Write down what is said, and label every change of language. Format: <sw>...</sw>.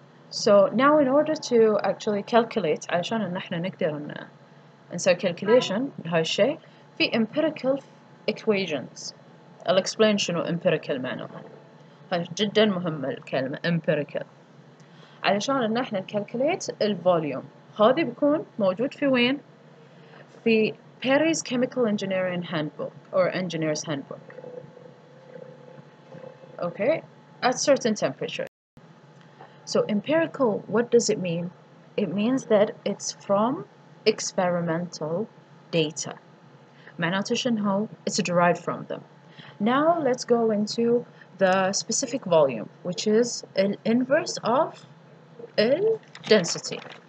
<en>So now in order to actually calculate,</en> <ar>عشان نحن نقدر نسوي</ar> <en>calculation</en> <ar>هاي الشيء, في</ar> <en>empirical equations. I'll explain</en> <ar>شنو</ar> <en>empirical معناها.</en> <ar>هاي جدا مهمة الكلمة empirical. علشان نحن نكالكليت الفوليوم هذي بيكون موجود في وين؟ في Perry's Chemical Engineering Handbook or Engineer's Handbook.</ar> <en>Okay, at certain temperature. So empirical, what does it mean? It means that it's from experimental data. It's derived from them. Now let's go into the specific volume, which is an inverse of density.</en>